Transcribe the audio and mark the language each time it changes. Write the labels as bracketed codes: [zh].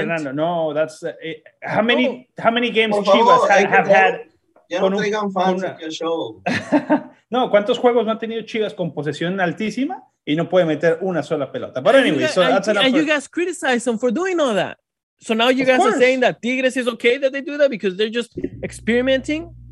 [en] Fernando, no, that's how many games Chivas have had. [es] No, ¿cuántos juegos no ha tenido Chivas con posesión altísima y no puede meter una sola pelota? [en] But anyway, you guys criticize them for doing all that. So now you guys are saying that Tigres is okay that they do that because they're just experimenting?